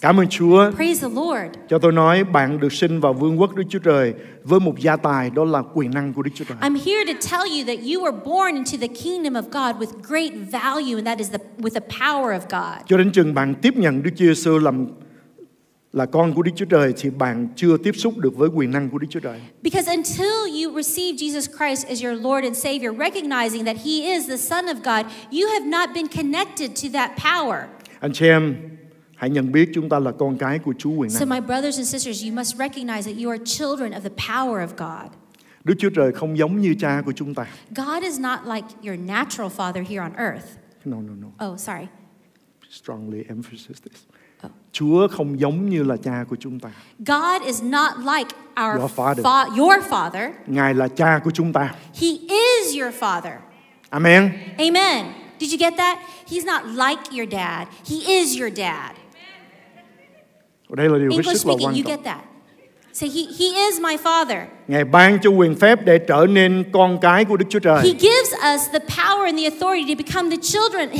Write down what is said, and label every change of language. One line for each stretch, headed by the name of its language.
Vietnamese: Cảm ơn Chúa.
English: Praise the Lord.
Vietnamese: Cho tôi nói, bạn được sinh vào vương quốc Đức Chúa Trời với một gia tài, đó là quyền năng của Đức Chúa Trời.
English: I'm here to tell you that you were born into the kingdom of God with great value, and that is the with the power of God.
Vietnamese: Cho đến chừng bạn tiếp nhận Đức Chúa Giêsu là con của Đức Chúa Trời thì bạn chưa tiếp xúc được với quyền năng của Đức Chúa Trời.
English: Because until you receive Jesus Christ as your Lord and Savior, recognizing that he is the Son of God, you have not been connected to that power.
Vietnamese: Anh chị em hãy nhận biết chúng ta là con cái của Chúa quyền năng.
English: So my brothers and sisters, you must recognize that you are children of the power of God.
Vietnamese: Đức Chúa Trời không giống như cha của chúng ta.
English: God is not like your natural father here on earth. No. Oh, sorry. Strongly emphasize this.
Vietnamese: Chúa không giống như là cha của chúng ta.
English: God is not like your father.
Vietnamese: Ngài là cha của chúng ta.
English: He is your father. Amen. Amen. Did you get that? He's not like your dad. He is your dad.
Vietnamese: Đây là điều
English: English
Vietnamese: rất
English: speaking,
Vietnamese: là quan
English: you
Vietnamese: trọng.
English: Get that. Say, he is my father.
Vietnamese: Ngài ban cho quyền phép để trở nên con cái của Đức Chúa Trời.
English: He gives us the power and the authority to become the children, his